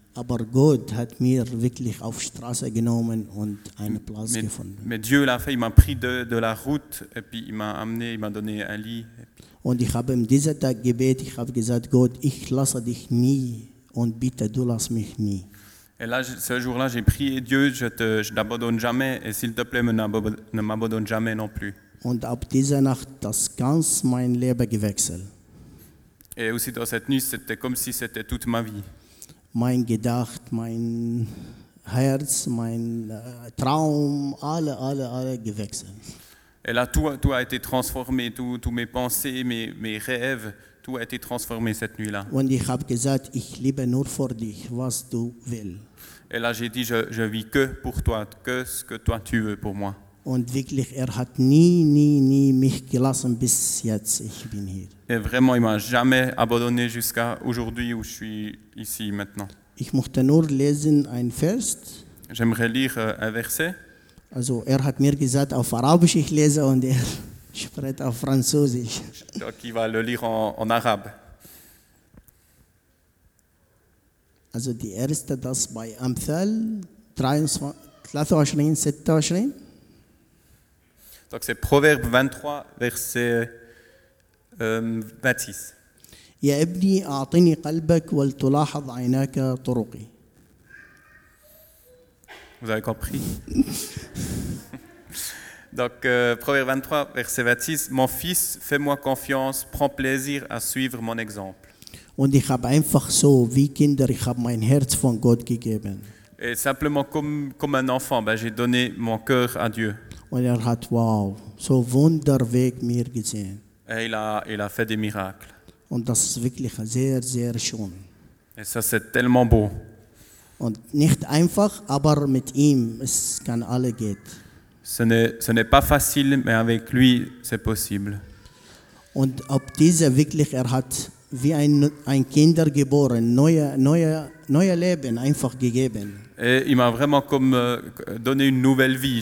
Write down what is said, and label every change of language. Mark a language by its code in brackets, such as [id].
[de] Aber Gott hat mir wirklich auf Straße genommen und eine Platz gefunden. [fr] Mais Dieu l'a fait, il m'a pris de la route et puis il m'a amené, il m'a donné un lit. [de] Und ich habe in diesem Tag gebetet, ich habe gesagt, Gott, ich lasse dich nie und bitte, du lass mich nie. [fr] Et là, ce jour-là, j'ai prié Dieu, je n'abandonne jamais et s'il te plaît, ne m'abandonne jamais non plus. [de] Und ab dieser Nacht, das ganz mein Leben gewechselt. [fr] Et aussi dans cette nuit, c'était comme si c'était toute ma vie. [de] Mein Gedacht, mein Herz, mein Traum, alle gewechselt. [fr] Et là, tout a été transformé, tous mes pensées, mes rêves, tout a été transformé cette nuit-là. [de] Und ich habe gesagt, ich lebe nur für dich, was du willst. [fr] Et là, j'ai dit, je vis que pour toi, que ce que toi tu veux pour moi. [de] Und wirklich, er hat nie mich gelassen bis jetzt. Ich bin hier. [fr] Et vraiment, il m'a jamais abandonné jusqu'à aujourd'hui où je suis ici maintenant. [de] Ich möchte nur lesen ein Vers. [fr] J'aimerais lire un verset. [de] Also, er hat mir gesagt, auf Arabisch ich lese und er spricht auf Französisch. [fr] Donc, il va le lire en arabe. [de] Also, die erste, das bei Amthal 23, 26. [fr] Donc c'est Proverbe 23, verset 26. [ar] Ya ibni, a'tini qalbak wal tulahad 'aynaka turuqi. [fr] Vous avez compris? Donc Proverbe 23, verset 26. Mon fils, fais-moi confiance, prends plaisir à suivre mon exemple. [de] Und ich habe einfach so, wie Kinder, ich habe mein Herz von Gott gegeben. [fr] Et simplement comme un enfant, ben, j'ai donné mon cœur à Dieu. [de] Und er hat, wow, so wunderweg mir gesehen. [fr] Et il a fait des miracles. [de] Und das ist wirklich sehr, sehr schön. [fr] Et ça, c'est tellement beau. [de] Und nicht einfach, aber mit ihm, es kann alle geht. [fr] Ce n'est pas facile, mais avec lui, c'est possible. [de] Und ob dieser wirklich, er hat wie ein Kind geboren, neue Leben einfach gegeben. [fr] Et il m'a vraiment comme donné une nouvelle vie.